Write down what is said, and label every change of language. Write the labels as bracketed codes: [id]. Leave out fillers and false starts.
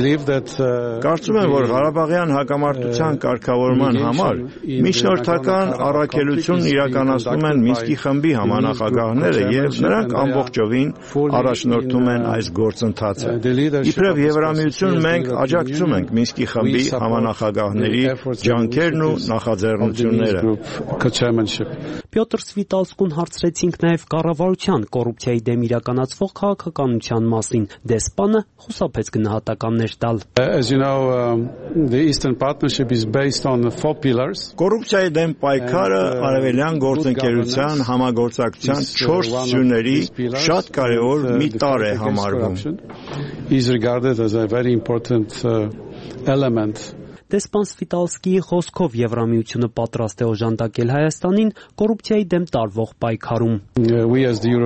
[hy] Կարծում եմ, որ Ղարաբաղյան հակամարտության կարգավորման համար միջնորդական առաքելություն իրականացնում են Մինսկի խմբի համանախագահները, և նրանք ամբողջովին առաջնորդում են այս գործընթացը։ Իբրև Եվրամիություն, մենք աջակցում ենք Մինսկի խմբի համանախագահների ջանքերն ու նախաձեռնությունները։ Պյոտր Սվիտալսկուն հարցրեցինք նաև կառավարության կոռուպցիայի դեմ իրականացած ֆոք քաղաքականության մասին, դեսպանը խուսափեց գնահատականներ տալ։ [en] As you know, the Eastern Partnership is based on the four pillars. [hy] Կոռուպցիայի դեմ պայքարը արևելյան գործընկերության համագործակցության 4 սյուների շատ կարևոր մի տարր է համարվում։ [en] Is regarded as a very important element. [hy] Դեսպան Սվիտալսկիի խոսքով Եվրամիությունը պատրաստ է օժանդակել Հայաստանին կոռուպցիայի դեմ տարվող պայքարում։